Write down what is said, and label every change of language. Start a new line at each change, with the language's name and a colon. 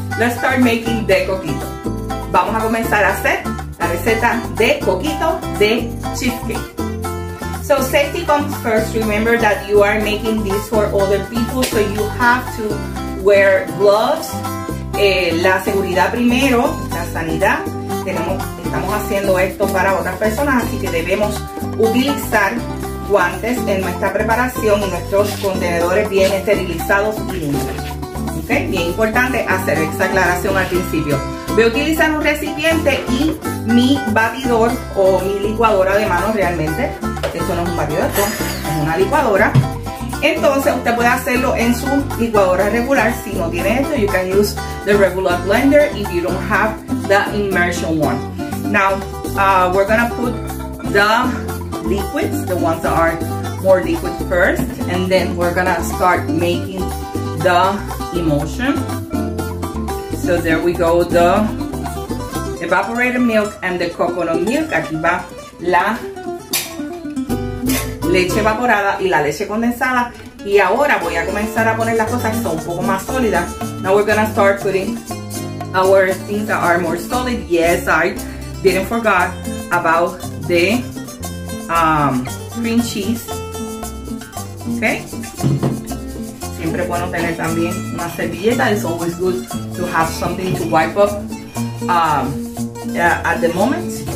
English: Let's start making the coquito.
Spanish: Vamos a comenzar a hacer la receta de coquito de cheesecake.
English: So safety comes first. Remember that you are making this for other people, so you have to wear gloves.
Spanish: La seguridad primero, la sanidad. Estamos haciendo esto para otras personas, así que debemos utilizar guantes en nuestra preparación y nuestros contenedores bien esterilizados y limpios. Okay? Bien importante hacer esta aclaración al principio. Voy a utilizar un recipiente y mi batidor o mi licuadora de mano realmente. Esto no es un batidor, esto es una licuadora. Entonces, usted puede hacerlo en su licuadora regular. Si no tiene esto,
English: you can use the regular blender if you don't have the immersion one. Now, we're gonna put the liquids, the ones that are more liquid first, and then we're gonna start making the emulsion. So there we go, the evaporated milk and the coconut milk.
Spanish: Aquí va la leche evaporada y la leche condensada. Y ahora voy a comenzar a poner las cosas que son un poco más sólidas.
English: Now we're gonna start putting our things that are more solid. Yes, I didn't forget about the cream cheese. Okay?
Spanish: Siempre es bueno tener también una servilleta.
English: It's always good to have something to wipe up at the moment.